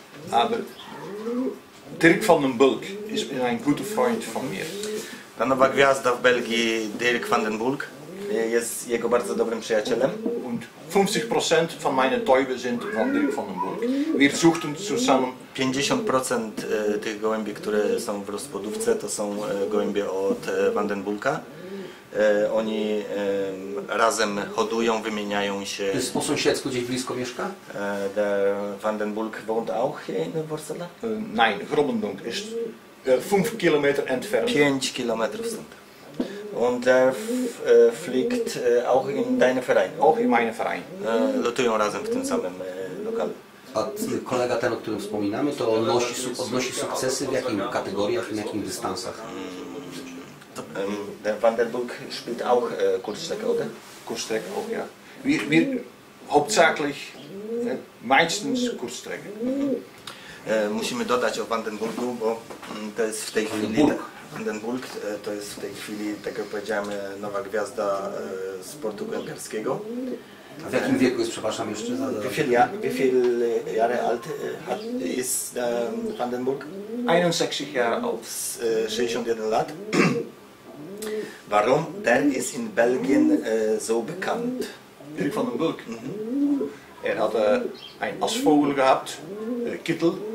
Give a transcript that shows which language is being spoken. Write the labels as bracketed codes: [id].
[de] Aber Dirk van den Bulk ist ein guter Freund von mir. [pl] Ta nowa gwiazda w Belgii, Dirk van den Bulk, jest jego bardzo dobrym przyjacielem. [de] 50% von meiner Tauben sind von Dirk van den Bulk. Wir suchten zusammen. [pl] 50% tych gołębi, które są w rozpodówce, to są gołębie od van den Bulka. Oni razem hodują, wymieniają się. To jest po sąsiedzku, gdzieś blisko mieszka? [de] Der van den Bulk wohnt auch hier in Wurzela? Nein, Grobendunk ist 5 km entfernt. [pl] 5 km stąd. [de] Und der fliegt auch in deinem Verein. Auch in meinem Verein. [pl] Lotują razem w tym samym lokalu. A kolega ten, o którym wspominamy, to odnosi sukcesy w jakich kategoriach, w jakich dystansach? [de] Der van den Bulk spielt auch Kurzstrecke, oder? Kurzstrecke auch, ja. Wir hauptsächlich meistens Kurzstrecke. [pl] Musimy dodać o van den Bulku, bo to jest w tej chwili van den Bulk, to jest w tej chwili, tak jak powiedziałem, nowa gwiazda sportu gęgarskiego. A w jakim wieku jest, przepraszam jeszcze za... [de] Wie viel Jahre alt ist van den Bulk? 61 Jahre alt. [pl] 61 lat. [de] Warum? Der ist in Belgien so bekannt. Dirk van den Bulk? Mhm. Er hat ein Aschvogel gehabt, Kittel.